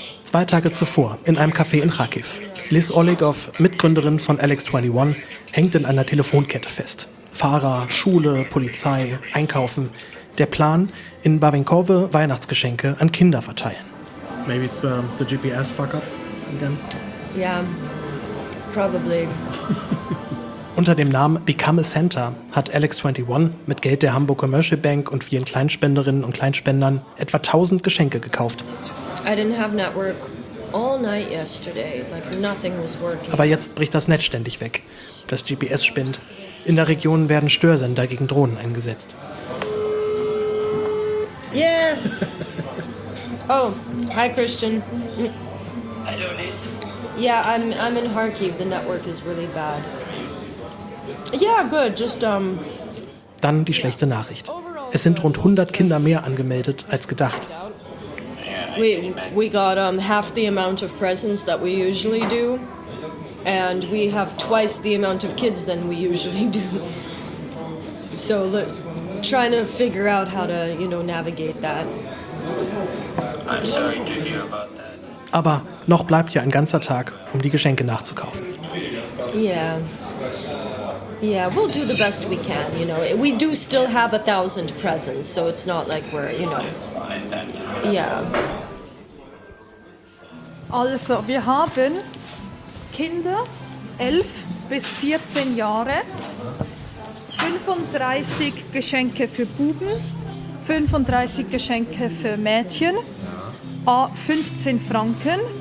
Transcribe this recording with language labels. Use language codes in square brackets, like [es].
[de] 2 Tage zuvor, in einem Café in Kharkiv. Liz Olegov, Mitgründerin von LX21, hängt in einer Telefonkette fest. Fahrer, Schule, Polizei, Einkaufen. Der Plan, in Babinkowe Weihnachtsgeschenke an Kinder verteilen. [en] Maybe it's the GPS fuck-up again? Yeah, probably. [de] Unter dem Namen Become a Santa hat LX21 mit Geld der Hamburg Commercial Bank und vielen Kleinspenderinnen und Kleinspendern etwa 1000 Geschenke gekauft. [en] I didn't have network all night yesterday. Like nothing was working. [de] Aber jetzt bricht das Netz ständig weg. Das GPS spinnt. In der Region werden Störsender gegen Drohnen eingesetzt. [en] Yeah. Oh, hi Christian. [de] Hallo Liz. [en] Yeah, I'm in Kharkiv. The network is really bad. Yeah, good. Just [de] dann die schlechte Nachricht. Es sind rund 100 Kinder mehr angemeldet als gedacht. [en] We got half the amount of presents that we usually do, and we have twice the amount of kids than we usually do. So look, trying to figure out how to, you know, navigate that. I'm sorry to hear about that. [de] Aber noch bleibt ja ein ganzer Tag, um die Geschenke nachzukaufen. [en] Yeah. Yeah, we'll do the best we can, you know. We do still have 1,000 presents, so it's not like we're, you know. Yeah. [de] Also, wir haben Kinder 11 bis 14 Jahre, 35 Geschenke für Buben, 35 Geschenke für Mädchen, 15 Franken.